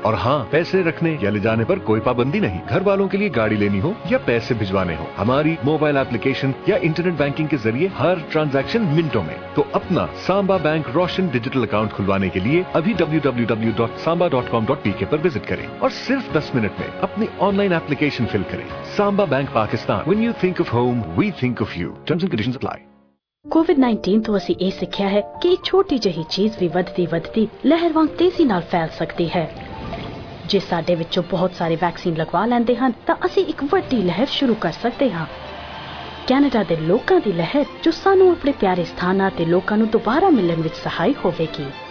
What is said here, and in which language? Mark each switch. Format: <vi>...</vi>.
<hi>और हाँ, पैसे रखने या ले जाने पर कोई पाबंदी नहीं। घर वालों के लिए गाड़ी लेनी हो या पैसे भिजवाने हो, हमारी मोबाइल एप्लीकेशन या इंटरनेट बैंकिंग के जरिए हर ट्रांजैक्शन मिनटों में। तो अपना सांबा बैंक रोशन डिजिटल अकाउंट खुलवाने के लिए अभी www.samba.com.pk पर विजिट करें और सिर्फ 10 मिनट में अपनी</hi> <en>online application fill</en> <hi>kare.</hi> <en>Samba Bank Pakistan. When you think of home, we think of you. Terms and conditions apply.</en> <pa>COVID-19 ਤੋਂ ਅਸੀਂ ਇਹ ਸਿੱਖਿਆ ਹੈ ਕਿ ਛੋਟੀ ਜਿਹੀ ਚੀਜ਼ ਵੀ ਵੱਧਦੀ ਵੱਧਦੀ ਲਹਿਰ ਵਾਂਗ ਤੇਜ਼ੀ ਨਾਲ ਫੈਲ ਸਕਦੀ ਹੈ। ਜੇ ਸਾਡੇ ਵਿੱਚੋਂ ਬਹੁਤ ਸਾਰੇ ਵੈਕਸੀਨ ਲਗਵਾ ਲੈਂਦੇ ਹਨ ਤਾਂ ਅਸੀਂ ਇੱਕ ਵੱਡੀ ਲਹਿਰ ਸ਼ੁਰੂ ਕਰ ਸਕਦੇ ਹਾਂ, ਕੈਨੇਡਾ ਦੇ ਲੋਕਾਂ ਦੀ ਲਹਿਰ, ਜੋ ਸਾਨੂੰ ਆਪਣੇ ਪਿਆਰੇ ਸਥਾਨਾਂ ਤੇ ਲੋਕਾਂ ਨੂੰ ਦੁਬਾਰਾ ਮਿਲਣ ਵਿੱਚ ਸਹਾਈ ਹੋਵੇਗੀ।</pa>